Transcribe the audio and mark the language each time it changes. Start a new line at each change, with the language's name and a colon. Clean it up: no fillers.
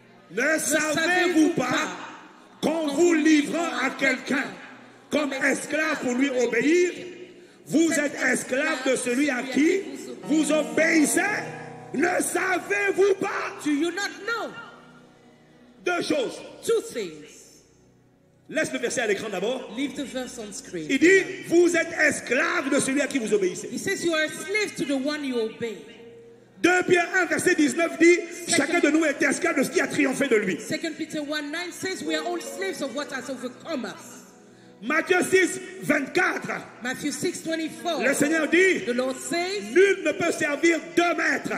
French: Ne savez-vous pas qu'en vous livrant à quelqu'un comme esclave pour lui obéir, vous êtes esclave de celui à qui vous obéissez? Ne savez-vous pas?
English: Do you not know?
French: Deux choses.
English: Two things.
French: Laisse le verset à l'écran d'abord.
English: Leave the verse on screen.
French: Il dit, vous êtes esclave de celui à qui vous obéissez.
English: He says you are a slave to the one you obey.
French: 2 Pierre 1, verset 19 dit, chacun de nous est esclave de ce qui a triomphé de lui.
English: 2 Peter 1, 9 says, we are all slaves of what has overcome us.
French: Matthieu 6, 24.
English: Matthew 6, 24.
French: Le Seigneur dit,
English: the Lord says,
French: nul ne peut servir deux maîtres.